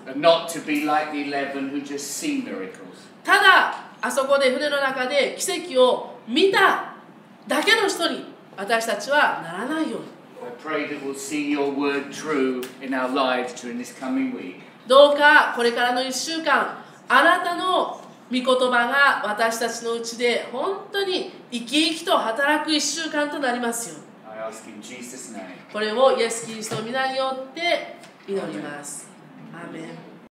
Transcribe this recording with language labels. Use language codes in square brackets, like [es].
[en] And not to be like the 11 who just see miracles. [ja] ただ、あそこで船の中で奇跡を見ただ私たちはならないように。 [en] I pray that we'll see your word true in our lives during this coming week. [ja] どうかこれからの1週間、あなたの御言葉が私たちのうちで本当に生き生きと働く1週間となりますよ。 [en] I ask in Jesus' name. [ja] これをイエス・キリストの御名によって祈ります。アーメン。